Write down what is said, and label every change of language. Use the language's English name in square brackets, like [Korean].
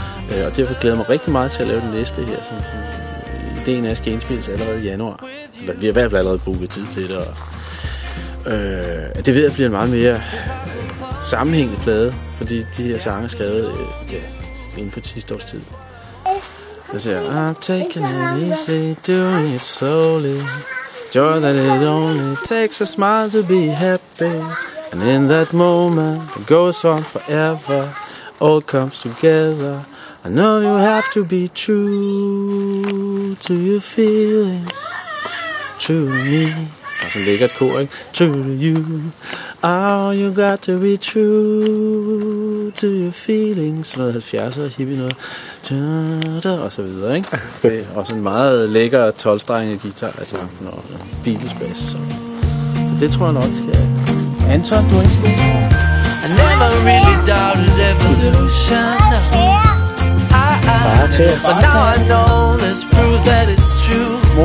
[Danish] Og derfor glæder jeg mig rigtig meget til at lave den næste her. Ideen er, at skal indspilles allerede i januar. Vi har i hvert fald allerede booket tid til det. Det ved jeg bliver en meget mere sammenhængende plade, fordi de her sange er skrevet inden for 10 års tid. Jeg siger, [English] I'm taking it easy, doing it slowly. Joy that it only takes a smile to be happy. And in that moment, it goes on forever. All comes together. I know you have to be true to your feelings, true to me. [Danish] Der er sådan ligger et kor, ikke? [English] True to you. Oh, you got to be true to your feelings. [Danish] Sådan noget 70'er, hippie noget. Da-da, og så videre, ikke? Det er også en meget lækker 12-strenget guitar, altså, når Beatles bass. Så det tror jeg nok, skal jeg. Anton, du har ikke spurgt. [English] I never really doubted evolution. But now I know there's proof that it's true.